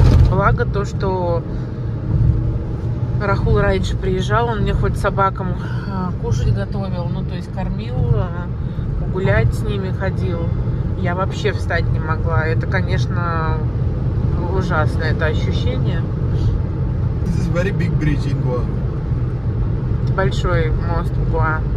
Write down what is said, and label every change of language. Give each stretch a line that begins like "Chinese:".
Russian: Благо то, что Рахул раньше приезжал, он мне хоть собакам кушать готовил, ну, то есть кормил, гулять с ними ходил. Я вообще встать не могла. Это, конечно, ужасно, это ощущение.
English: This is very big bridge in Goa.
Russian: Это большой мост в Goa.